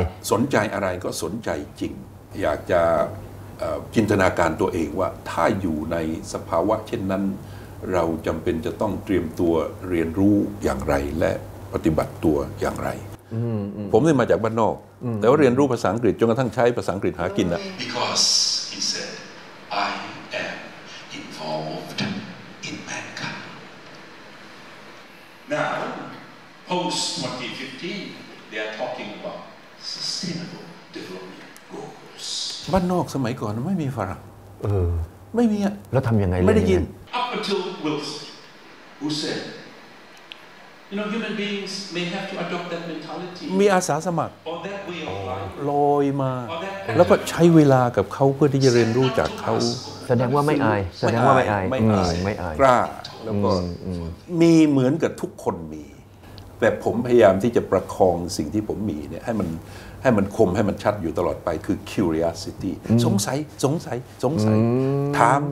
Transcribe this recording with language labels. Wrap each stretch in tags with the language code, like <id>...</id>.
<th>สนใจอะไรก็สนใจจริงอยากจะจินตนาการตัวเองว่าถ้าอยู่ในสภาวะเช่นนั้นเราจำเป็นจะต้องเตรียมตัวเรียนรู้อย่างไรและปฏิบัติตัวอย่างไรผมเนี่ยมาจากบ้านนอกแต่ว่าเรียนรู้ภาษาอังกฤษจนกระทั่งใช้ภาษาอังกฤษหากินอะ</th> <en>Because he said I am involved in mankind Now post 2015 they are talking about sustainable development goals</en> <th>บ้านนอกสมัยก่อนไม่มีฝรั่งไม่มีอะ แล้วทำยังไง ไม่ได้ยิน</th> <en>Up until Wilson, who said, you know, human beings may have to adopt that mentality.</en> <th>มีอาสาสมัคร</th> <en>Or that way of life.</en> <th>ลอยมาแล้วก็ใช้เวลากับเขาเพื่อที่จะเรียนรู้จากเขา แสดงว่าไม่อายแสดงว่าไม่อาย ไม่อาย ไม่อาย กล้าแล้วก็มีเหมือนกับทุกคนมีแต่ผมพยายามที่จะประคองสิ่งที่ผมมีเนี่ยให้มันคมให้มันชัดอยู่ตลอดไปคือ curiosity สงสัยถาม</th>